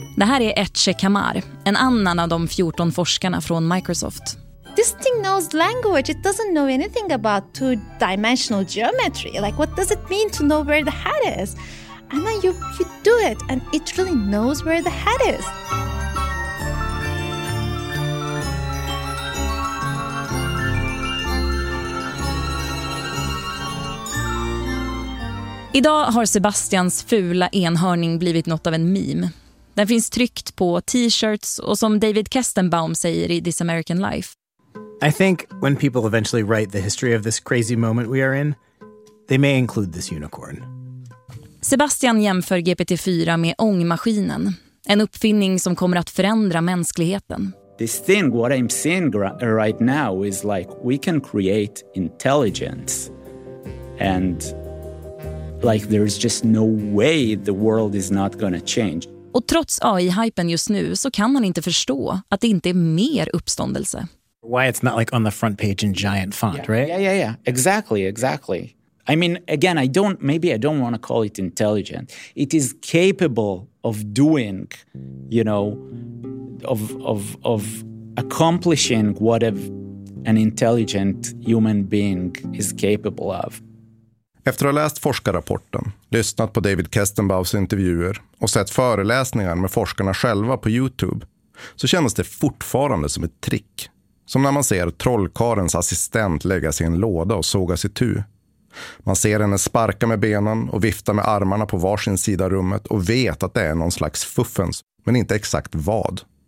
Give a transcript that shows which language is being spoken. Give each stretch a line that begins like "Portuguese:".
Swedish: Det här är Etche Kamar, en annan av de 14 forskarna från Microsoft.
English: This thing knows language. It doesn't know anything about two-dimensional geometry. Like, what does it mean to know where the hat is? And then you do it, and it really knows where the hat is.
Swedish: Idag har Sebastians fula enhörning blivit något av en meme. Den finns tryckt på t-shirts och som David Kestenbaum säger i This American Life.
English: I think when people eventually write the history of this crazy moment we are in, they may include this unicorn.
Swedish: Sebastian jämför GPT-4 med ångmaskinen, en uppfinning som kommer att förändra mänskligheten.
English: This thing, what I'm seeing right now is like we can create intelligence and like there's just no way the world is not gonna change.
Swedish: Och trots AI-hypen just nu så kan man inte förstå att det inte är mer uppståndelse.
English: Why it's not like on the front page in giant font, yeah. Right? Yeah. Exactly. I mean, again, I don't want to call it intelligent. It is capable of doing, you know, of accomplishing what an intelligent human being is capable of.
Swedish: Efter att ha läst forskarrapporten, lyssnat på David Kestenbaums intervjuer och sett föreläsningar med forskarna själva på YouTube, så kändes det fortfarande som ett trick. Som när man ser trollkarens assistent lägga sig i en låda och såga sig tu. Man ser henne sparka med benen och vifta med armarna på varsin sida rummet och vet att det är någon slags fuffens, men inte exakt vad.